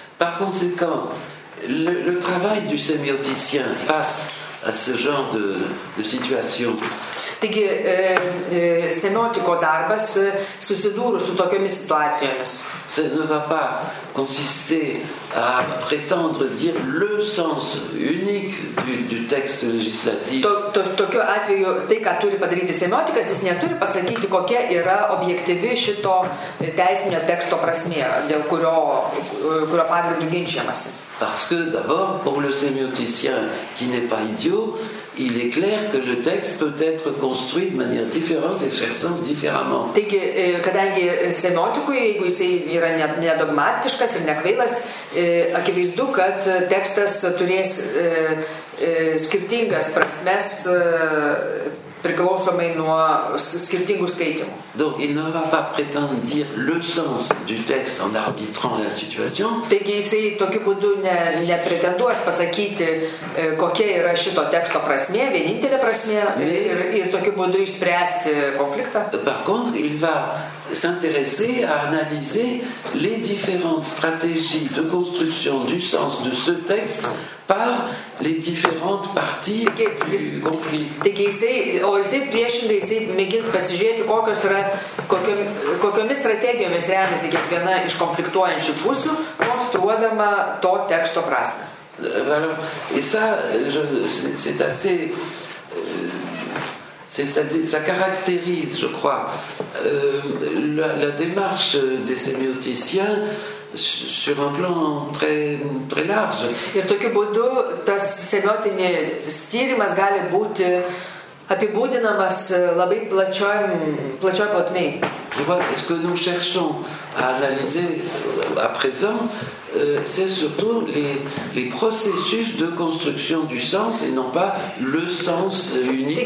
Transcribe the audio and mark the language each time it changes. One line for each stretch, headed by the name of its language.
French: Par conséquent, le travail du sémioticien face à ce genre de situation.
Lithuanian: Taigi, semiotiko darbas susidūrus su tokiomis situacijomis.
French: Ça ne va pas consister à prétendre dire le sens unique du texte législatif.
Lithuanian: Tokiu atveju, tai, ką turi padaryti semiotikas, jis neturi pasakyti, kokia yra objektyvi šito teisinio teksto prasmė, dėl kurio pagrindu ginčiamasi.
French: Parce que d'abord, pour le sémioticien qui n'est pas idiot, il est clair que le texte peut être construit de manière différente et faire sens différemment.
Lithuanian: Taigi, kadangi semiotikui, jeigu jis yra nedogmatiškas ir nekvailas, akivaizdu, kad tekstas turės skirtingas prasmes priklausomai nuo skirtingų skaitimų.
French: Donc, il ne va pas prétendre dire le sens du texte en arbitrant la situation.
Lithuanian: Taigi, jisai tokiu būdu nepretenduos pasakyti, kokia yra šito teksto prasmė, vienintelė prasmė, ir tokiu būdu išspręsti konfliktą.
French: Par contre, il va s'intéresser à analyser les différentes stratégies de construction du sens de ce texte par les différentes parties du conflit.
Lithuanian: Taigi, jisai priešingai, jisai mėgins pasižiūrėti, kokiomis strategijomis remiasi kiekviena iš konfliktuojančių pusių, konstruodama to teksto prasmę.
French: Et ça, c'est assez... ça caractérise, je crois, la démarche des sémioticiens sur un plan très, très large.
Lithuanian: Ir tokiu būdu tas semiotinis tyrimas gali būti apibūdinamas labai plačioj plotmėj.
French: je vois, ce que nous cherchons à analyser à présent, c'est surtout les processus de construction du sens et non pas le sens unique.